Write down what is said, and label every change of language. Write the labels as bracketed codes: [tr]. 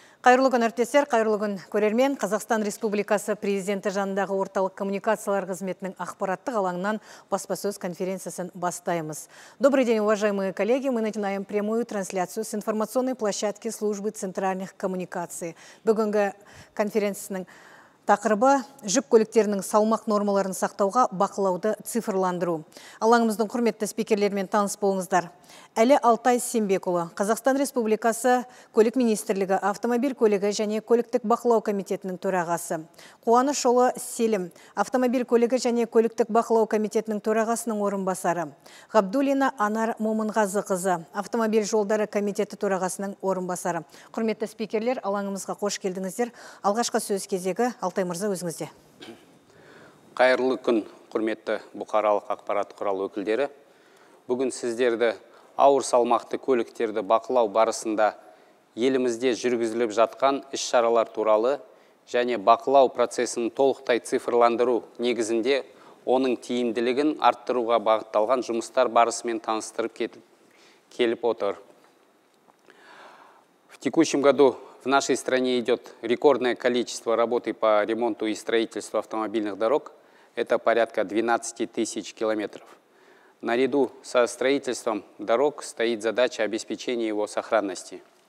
[kk] Қайырлы күн, әріптестер, қайырлы күн, көрермен. Қазақстан Республикасы президенті жанындағы орталық коммуникациялар қызметінің ақпараттық алаңынан баспасөз конференциясын бастаймыз. [ru] Добрый день, уважаемые коллеги, мы начинаем прямую трансляцию с информационной площадки службы центральных коммуникаций. [kk] Бүгінгі конференциясының тақырыбы жүк көліктерінің салмақ нормаларын сақтауға бақылауды цифрландыру. Алаңымыздың құрметті спикерлерімен таныс болыңыздар. Әлі Алтай Сембекұлы, Қазақстан Республикасы көлік министрлігі, автомобиль көлігі және көліктік бақылау комитетінің төрағасы. Қуанышұлы Селім, автомобиль көлігі және көліктік бақылау комитетінің төрағасының орынбасары. Ғабдулина Анар Момынғазықызы, автомобиль жолдары комитеті төрағасының орынбасары. Құрметті спикерлер, алаңымызға қош келдіңіздер. Алғашқы сөз кезегі Алтай Мырза, өзіңізде. Қайырлы күн, құрметті бұқаралық ақпарат құралы өкілдері. Бүгін сіздерді ауыр салмақты көліктерді бақылау барысында елімізде жүргізіліп жатқан іс-шаралар туралы және бақылау процесін толықтай цифрландыру негізінде оның тиімділігін арттыруға бағытталған жұмыстар барысымен таныстырып келіп отыр. [ru] В текущем году в нашей стране идет рекордное количество работы по ремонту и строительству автомобильных дорог. Это порядка 12 тысяч километров. Наряду со строительством дорог стоит задача обеспечения его сохранности.